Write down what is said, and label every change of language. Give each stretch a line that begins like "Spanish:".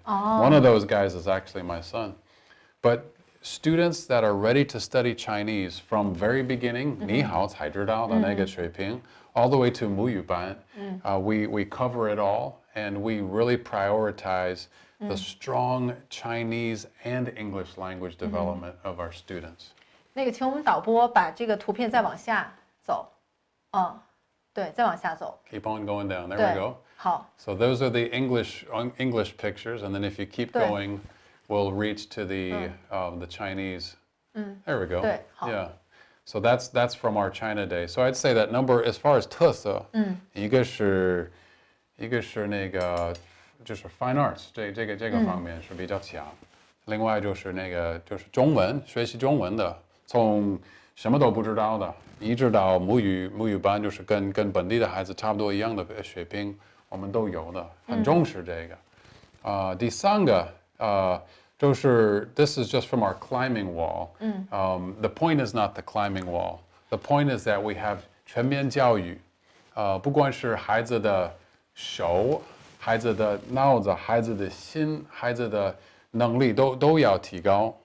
English: One of those guys is actually my son. But students that are ready to study Chinese from very beginning,
Chinese: 你好才知道的那个水平,
English: all the way to
Chinese: 母语班,
English: we cover it all, and we really prioritize the strong Chinese and English language development of our students.
Chinese: 那个请我们导播把这个图片再往下走。对，再往下走。
English: Keep on going down, there we go.
Chinese: 好。
English: So those are the English pictures, and then if you keep going,We'll reach to the Chinese. There we go.
Chinese: 对，好。
English: Yeah. So that's from our China Day. So I'd say that number, as far as
Chinese: 特色，一个是那个就是 fine arts 这个方面是比较强。另外就是那个就是中文，学习中文的，从什么都不知道的，一直到母语班，就是跟本地的孩子差不多一样的水平，我们都有的，很重视这个。第三个就是
English: this is just from our climbing wall. The point is not the climbing wall. The point is that we have
Chinese: 全面教育，不管是孩子的手、孩子的脑子、孩子的心、孩子的能力都要提高。